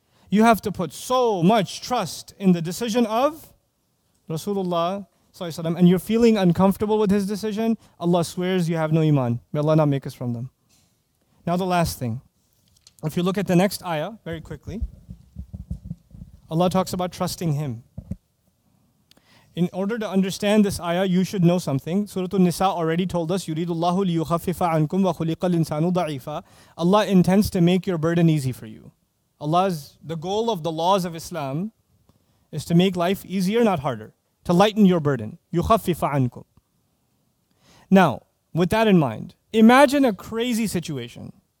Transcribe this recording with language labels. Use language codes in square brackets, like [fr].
[en] You have to put so much trust in the decision of Rasulullah sallallahu alaihi wasallam, and you're feeling uncomfortable with his decision, Allah swears you have no iman. May Allah not make us from them. Now the last thing. If you look at the next ayah, very quickly, Allah talks about trusting him. In order to understand this ayah, you should know something. Surah An-Nisa already told us, [ar] يُرِيدُ اللَّهُ لِيُخَفِّفَ عَنْكُمْ وَخُلِقَ الْإِنسَانُ ضَعِيفًا. [en] Allah intends to make your burden easy for you. The goal of the laws of Islam is to make life easier, not harder. To lighten your burden. [ar] يُخَفِّفَ عَنْكُمْ. [en] Now, with that in mind, imagine a crazy situation.